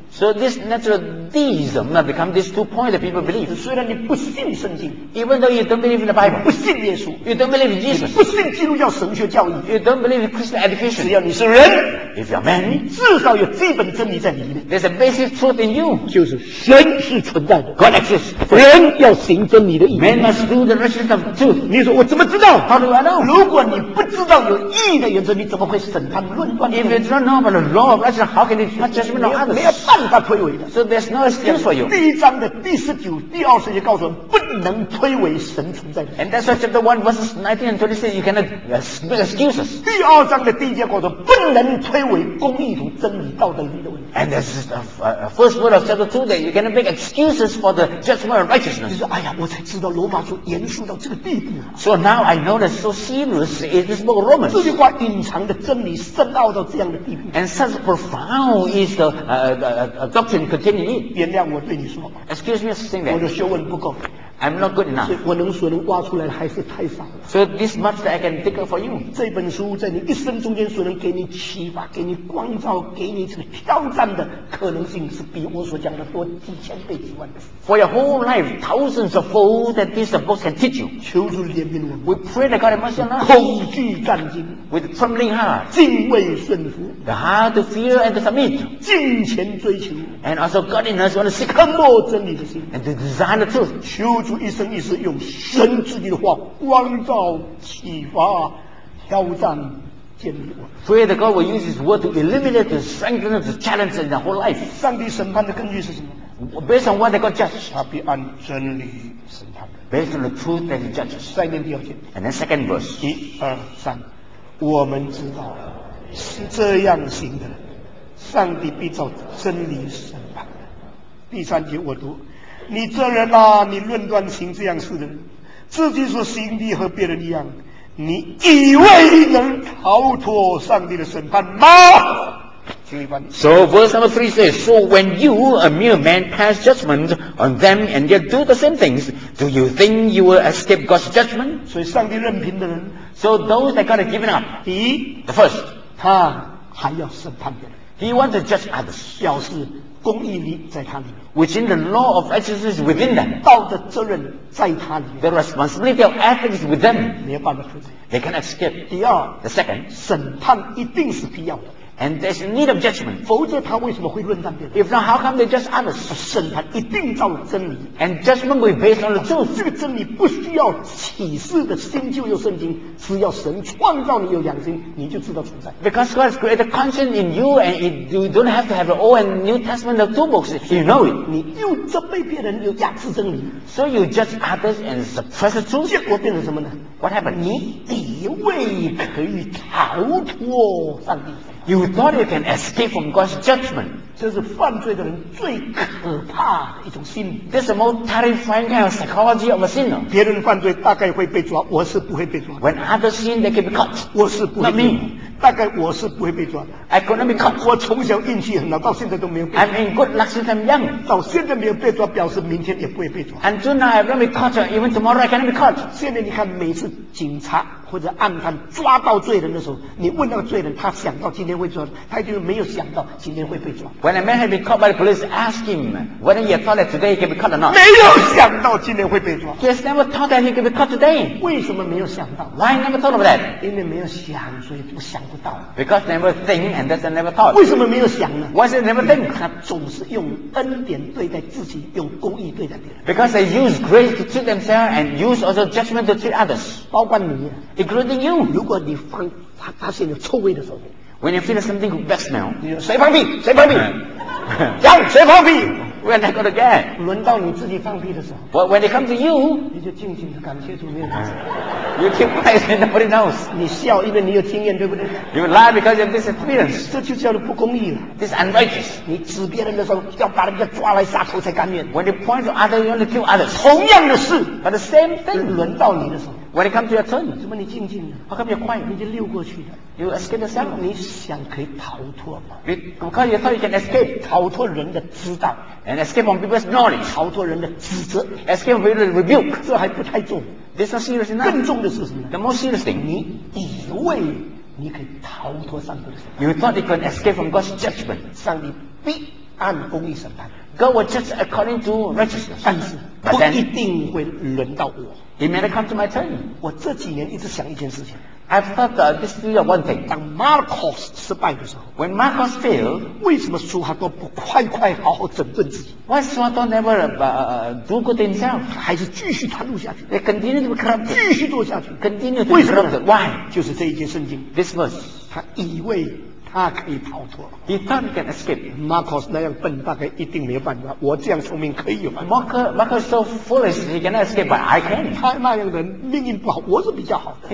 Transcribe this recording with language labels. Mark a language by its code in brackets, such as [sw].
[en] So this natural deism become these two points that people believe. [zh] 虽然你不信圣经 [en] ，even though you don't believe in the Bible， [zh] 不信耶稣 [en] ，you don't believe in Jesus， [zh] 不信基督教神学教义 [en] ，you don't believe in Christian education， [zh] 只要你是人 [en] ，if you're man， [zh] 你至少有基本真理在里面。 [en] There's a basic truth in you， [zh] 就是神是存在的 [en] ，God exists。 [zh] 人要行真理的义 [en] ，man must do the righteousness of truth。 [zh] 你说我怎么知道 [en] ？How do I know？ [zh] 如果你不知道有义的原则，你怎么会审判论断 [en] ？If you don't know about the law of righteousness， how can you judge me on others？ So there's no excuse for you. [zh] 第一章的第十九、第二十节告诉我们，不能推诿神存在。 [en] And that's why chapter 1 verses 19 and 26 you cannot make excuses. [zh] 第二章的第一节告诉我们，不能推诿公义和真理、道德义的问题。 [en] And that's the first word of chapter 2 that you cannot make excuses for the judgment of righteousness. [zh] 就是哎呀，我才知道罗马书严肃到这个地步啊。 [en] So now I know that so serious is this book of Romans. [zh] 这句话隐藏的真理深奥到这样的地步。 [en] And such profound is the doctrine containing it. [zh] 原谅我对你说。 [en] Excuse me, sing that. [zh] 我的学问不够。 [en] I'm not good enough. [zh] 我能所能挖出来的还是太少了。 [en] So this much that I can dig up for you. [zh] 这本书在你一生中间所能给你启发、给你光照、给你这个挑战的可能性，是比我所讲的多几千倍、几万倍。 [en] For your whole life, thousands of fold that this book can teach you. [zh] 求主怜悯我。 [en] We pray that God have mercy on us. [zh] 恐惧战兢。 [en] With trembling heart. [zh] 敬畏顺服。 [en] The heart to fear and to submit. [zh] 敬虔追求。 [en] And also godliness, you want to seek. [zh] 渴慕真理的心。 [en] And to desire the truth. [zh] 求主一生一世用神自己的话光照启发挑战建立我。 [en] Pray that God will use His word to illuminate the strength and the challenge in the whole life. [zh] 上帝审判的根据是什么？ [en] Based on what God judges. [zh] 他必按真理审判。 [en] Based on the truth that He judges. [zh] 再念第二节。 [en] And then second verse. [zh] 一二三，我们知道是这样行的，上帝必照真理审判。第三节我读。你这人啊，你论断行这样事的人，自己所行的和别人一样，你以为能逃脱上帝的审判吗？ [en] So verse number 3 says, so when you, a mere man, pass judgment on them and yet do the same things, do you think you will escape God's judgment? [zh] 所以上帝任凭的人， [en] so those that got given up, [zh] 第一， [en] the first, [zh] 他还要审判别人， [en] he wants to judge others, [zh] 表示公义力在他里面， [en] within the law of righteousness within them， [zh] 道德责任在他里面， [en] the responsibility of ethics with them， [zh] 没有办法脱罪， [en] they can escape。 [zh] 第二， [en] the second， [zh] 审判一定是必要的， [en] and there's a need of judgment， [zh] 否则他为什么会论断别人？ [en] If not how come they judge others？ [zh] 审判一定照真理， [en] and judgment will be based on the truth。 [zh] 这个真理不需要启示的新旧又圣经，只要神创造你有良心，你就知道存在。 [en] Because God has created conscience in you, and you don't have to have the Old and New Testament of two books. You know it. [zh] 你又责备别人，又压制真理。 [en] So you judge others and suppress the truth. [zh] 结果变成什么呢？ [en] What happened? [zh] 你以为可以逃脱上帝？ [en] You thought you can escape from God's judgment. [zh] 这是犯罪的人最可怕的一种心理。 [en] This is the most terrifying kind of psychology of a sinner. [zh] 别人犯罪大概会被抓，我是不会被抓。 [en] When other sin, they can be caught. [zh] 我是不会被抓。大概我是不会被抓。 [en] I could not be caught. [zh] 我从小运气很好，到现在都没有被抓。 [en] I'm in good luck since I'm young. [zh] 到现在没有被抓，表示明天也不会被抓。 [en] And soon I've not been caught, even tomorrow I cannot be caught. [zh] 现在你看，每次警察或者案犯抓到罪人的时候，你问那个罪人，他想到今天会抓，他就没有想到今天会被抓。 [en] When a man has been caught by the police, ask him whether he thought that today he can be caught or not. [zh] 没有想到今天会被抓。 [en] He has never thought that he can be caught today. [zh] 为什么没有想到？ [en] Why never thought of that? [zh] 因为没有想，所以不想不到。 [en] Because never think and thus never thought. [zh] 为什么没有想呢？ [en] Why never think? [zh] 他总是用恩典对待自己，用公义对待别人。 [en] Because they use grace to treat themselves and use also judgment to treat others. [zh] 包括你。 [en] Including you. [zh] 如果你放他发现有臭味的时候， [en] When you feel something bad smell, [zh] 谁放屁？谁放屁？讲谁放屁？ [en] We're not gonna get. [zh] 轮到你自己放屁的时候， [en] But when it comes to you, [zh] 你就静静的感谢主面。 [en] You keep quiet and nobody knows. [zh] 你笑，因为你有经验，对不对？ [en] You lie because of this experience. [zh] 这就叫做不公义了。 [en] This is unrighteous. [zh] 你指别人的时候，要把人家抓来杀头才甘愿。 [en] When you point to others, you only kill others. [zh] 同样的事， [en] But the same thing. [zh] 轮到你的时候。 [en] When it comes to your turn, [zh] 怎么你静静的？好，特别快，你就溜过去了。 [en] You escape yourself. [zh] 你想可以逃脱吗？我看你 [en] thought you can escape. [zh] 逃脱人的指导 [en] ，and escape from people's knowledge. [zh] 逃脱人的指责 [en] ，escape from people's rebuke. [zh] 这还不太重。 [en] This is serious enough. [zh] 更重的是什么 [en] ？The more serious thing. [zh] 你以为你可以逃脱上帝的审判 [en] ？You thought you can escape from God's judgment. [zh] 上帝必按公义审判。 [en] God will judge according to righteousness. [zh] 但是不一定会轮到我。 [en] It may not come to my turn. [zh] 我这几年一直想一件事情。 [en] I've thought this is one thing. [zh] 当 Marcos 失败的时候 [en] ，When Marcos failed， [zh] 为什么苏哈多不快快好好整顿自己 [en] ？Why Suhado never do good himself？ [zh] 还是继续贪污下去 [en] ？They continue to corrupt， [zh] 继续做下去 [en] ，continue to [zh] 为什么 [en] ？Why？ [zh] 就是这一节圣经 [en] ，This verse， [zh] 他以为他可以逃脱 [en] ，He thought he can escape。 [zh] Marcos 那样笨，大概一定没有办法。我这样聪明，可以有办法。 [en] Marcos so foolish, he cannot escape, but I can。 [zh] 他那样的人命运不好，我是比较好的。